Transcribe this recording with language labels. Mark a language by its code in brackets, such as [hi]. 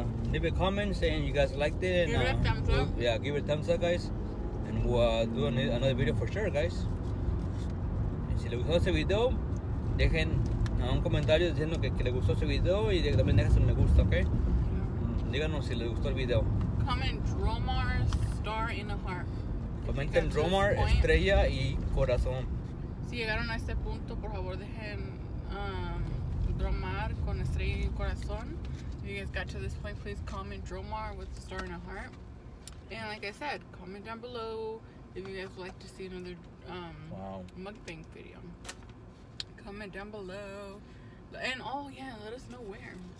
[en] leave a comment saying you guys liked it. Give it a thumbs up. Yeah, give it a thumbs up, guys. And we'll do another video for sure, guys. [es] Y si le gustó ese video, dejen un comentario diciendo que le gustó ese video y también dejen su me gusta, ¿ok? [en] Yeah. [es] Díganos si le gustó el video. [en] Comment Dromar, star in a heart. [es] Comenten Dromar, estrella y corazón. Si llegaron a este punto, por favor, dejen Dromar con estrella y corazón. [en] If you guys got to this point, please comment Dromar with the star in a heart. And like I said, comment down below if you guys would like to see another mukbang video. Comment down below. And oh yeah, let us know where.